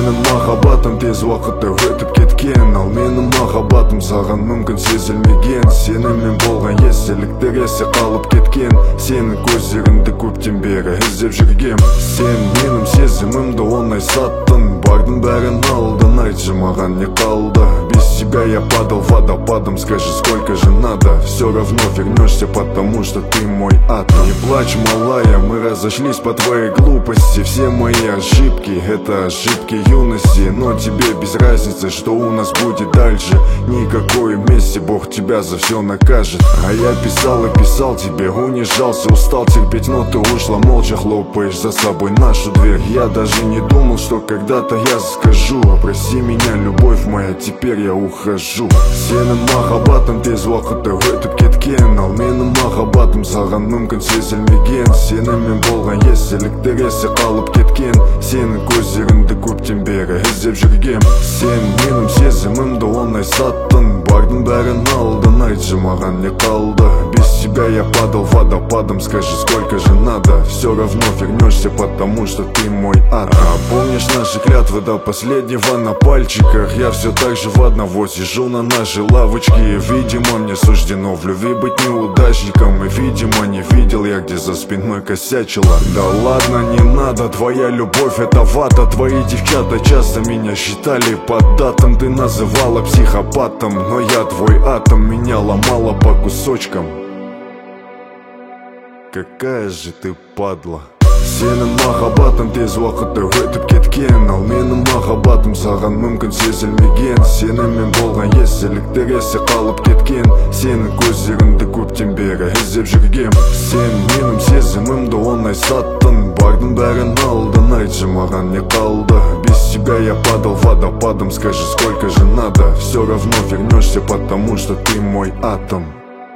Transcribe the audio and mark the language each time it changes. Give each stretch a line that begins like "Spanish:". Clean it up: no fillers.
Kazakh: махаббатым тез уақытта өтіп кеткен. Ал менің махаббатым саған мүмкін сезілмеген. Сенімен болған естеліктер есе қалып кеткен. Сенің көздеріңді көптен бері іздеп жүргем. Сен менің сезімімді оңай саттың, бардың бәрін алдың. Айтшы маған не қалды?
Russian: Без тебя я падал водопадом. Скажи, сколько же надо? Все равно вернешься, потому что ты мой ад. Не плачь, малая, мы разошлись по твоей глупости. Все мои ошибки, это ошибки юности. Но тебе без разницы, что у нас будет дальше. Никакой мести, Бог тебя за все накажет. А я писал и писал тебе, унижался, устал терпеть. Но ты ушла молча, хлопаешь за собой нашу дверь. Я даже не думал, что когда-то я скажу: прости меня, любовь моя, теперь я ухожу.
Kazakh: Сенің махаббатым тез уақытта өтіп кеткен. Ал менің махаббатым саған мүмкін сезілмеген. Сенімен болған естеліктер есе қалып кеткен. Сенің көздеріңді көптен бері іздеп жүргем. Сен менің сезімімді оңай саттың, бардың бәрін алдың. Айтшы маған не қалды?
Russian: Без тебя я падал водопадом. Скажи, сколько же надо? Все равно вернешься, потому что ты мой ад. А помнишь наши клятвы до последнего на пальчиках? Я все так же в одного сижу на нашей лавочке. Видимо, мне суждено в любви быть неудачником. И видимо, не видел я, где за спиной косячила. Да ладно, не надо, твоя любовь это вата. Твои девчата часто меня считали поддатым. Ты называла психопатом, но я твой атом. Меня ломала по кусочкам. Какая же ты падла.
Kazakh: Сенің махаббатым тез уақытта өтіп кеткен. Ал менің махаббатым саған мүмкін сезілмеген. Сенімен болған естеліктер есе қалып кеткен. Сенің көздеріңді көптен бері іздеп жүргем. Сен менің сезімімді оңай саттың, бардың бәрін алдың. Айтшы маған не қалды?
Russian: Без тебя я падал водопадом. Скажи, сколько же надо? Все равно вернешься, потому что ты мой атом.